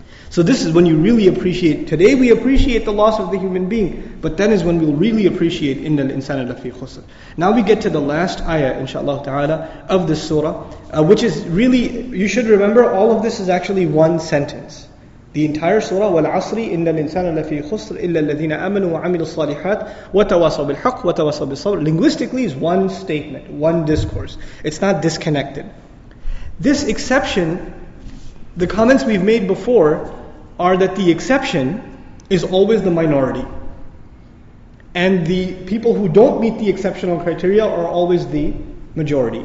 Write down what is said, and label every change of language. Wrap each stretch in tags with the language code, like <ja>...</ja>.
<en>So this is when you really appreciate, today we appreciate the loss of the human being, but then is when we'll really appreciate</en> <ar>إِنَّ الْإِنسَانَ لَفِي خُسْرٍ.</ar> <en>Now we get to the last ayah, inshaAllah ta'ala, of this surah, which is really, you should remember, all of this is actually one sentence. The entire surah,</en> <ar>وَالْعَصْرِ إِنَّ الْإِنسَانَ لَفِي خُسْرٍ إِلَّا الَّذِينَ آمَنُوا وَعَمِلُوا الصَّالِحَاتِ وَتَوَاصَوْا بِالْحَقِّ وَتَوَاصَوْا بِالصَّبْرِ.</ar> <en>Linguistically is one statement, one discourse. It's not disconnected. This exception, the comments we've made before, are that the exception is always the minority. And the people who don't meet the exceptional criteria are always the majority.</en>